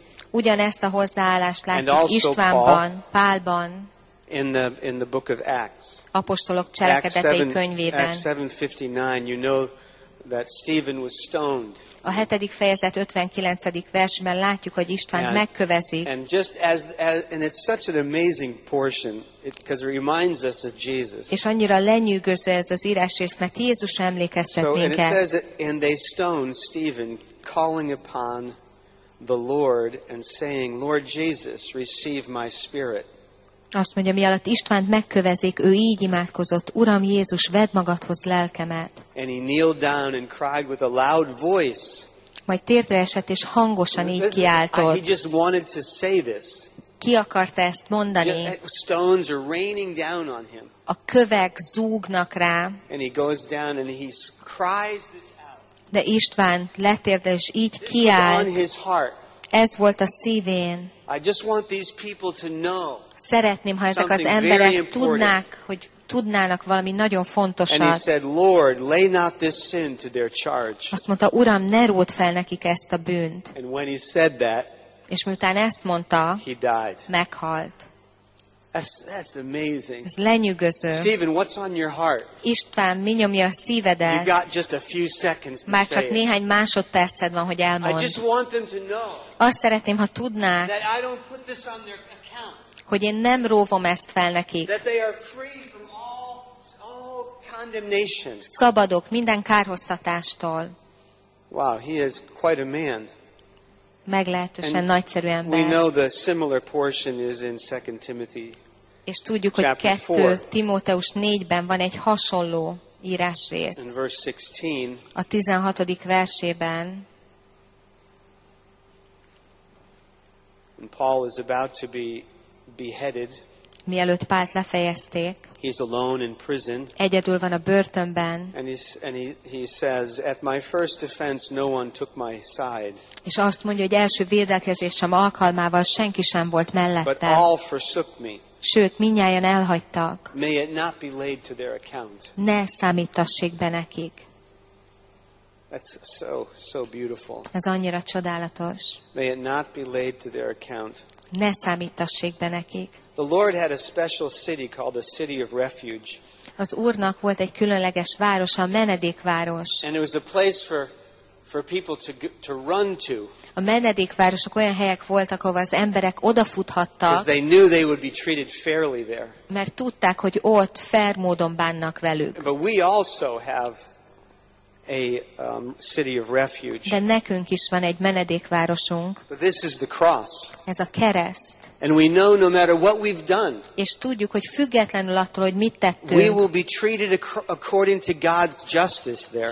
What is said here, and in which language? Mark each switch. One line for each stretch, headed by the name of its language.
Hungarian: Ugyanezt a hozzáállást látjuk Istvánban, Pálban,
English: in the book of Acts.
Hungarian: Apostolok cselekedetei könyvében.
English: You know that Stephen was stoned.
Hungarian: A 7. fejezet 59. versben látjuk, hogy Istvánt megkövezik.
English: And just and it's such an amazing portion. Because it reminds us of Jesus.
Hungarian: És annyira lenyűgöző ez az írásrész, mert Jézus emlékeztet minket.
English: So it says, and they stoned Stephen, calling upon the Lord and saying, "Lord Jesus, receive my spirit."
Hungarian: Azt mondja, mi alatt Istvánt megkövezik, ő így imádkozott: "Uram Jézus, vedd magadhoz lelkemet."
English: And he kneeled down and cried with a loud voice.
Hungarian: Majd térdre esett és hangosan így kiáltott.
English: He just wanted to say this.
Hungarian: Ki akarta ezt mondani?
English: Stones are raining down on him.
Hungarian: A kövek zúgnak rá.
English: And he goes down and he cries this out.
Hungarian: De István letérd és így kiált. Ez volt a szívén.
English: I just want these people to know.
Hungarian: Szeretném, ha ezek az emberek tudnák, hogy tudnának valami nagyon fontosat.
English: And he said, "Lord, lay not this sin to their charge."
Hungarian: Azt mondta, Uram, ne ród fel nekik ezt a bűnt.
English: And when he said that,
Hungarian: és miután ezt mondta,
English: he died.
Hungarian: Meghalt.
English: That's amazing.
Hungarian: Ez lenyűgöző.
English: Stephen, what's on your heart?
Hungarian: István, mi nyomja a szívedet?
English: You got just a few seconds to say.
Hungarian: Már csak néhány másodperced van, hogy elmondd.
English: I just want them to know.
Hungarian: Azt szeretném, ha tudnák,
English: that I don't put this on their account.
Hungarian: Hogy én nem róvom ezt fel nekik.
English: That they are free from all condemnation.
Hungarian: Szabadok minden kárhoztatástól.
English: Wow, he is quite a man.
Hungarian: Meglehetősen
English: and
Hungarian: nagyszerű ember.
English: We know the similar portion is in 2 Timothy.
Hungarian: És tudjuk, hogy 2 Timóteus 4-ben van egy hasonló írásrész.
English: In verse 16.
Hungarian: A 16. versében.
English: And Paul is about to be beheaded.
Hungarian: Mielőtt Pált lefejezték.
English: He's alone in prison.
Hungarian: Egyedül van a börtönben.
English: And he says, "At my first defense, no one took my side."
Hungarian: És azt mondja, hogy első védekezésem alkalmával senki sem volt mellette.
English: But all forsook me.
Hungarian: Sőt, mindnyájan elhagytak.
English: May it not be laid to their account.
Hungarian: Ne számítassék be nekik.
English: That's so beautiful.
Hungarian: Ez annyira csodálatos.
English: May it not be laid to their account.
Hungarian: Ne számítassék be nekik.
English: The Lord had a special city called the City of Refuge.
Hungarian: Az Úrnak volt egy különleges város, a menedékváros.
English: And it was a place for for people to run to.
Hungarian: A menedékvárosok olyan helyek voltak, ahova az emberek odafuthattak.
English: Because they knew they would be treated fairly there.
Hungarian: Mert tudták, hogy ott fair módon bánnak velük.
English: But we also have a city of refuge.
Hungarian: De nekünk is van egy menedékvárosunk.
English: But this is the cross.
Hungarian: Ez a kereszt.
English: And we know no matter what we've done.
Hungarian: És tudjuk, hogy függetlenül attól, hogy mit tettünk.
English: We will be treated according to God's justice there.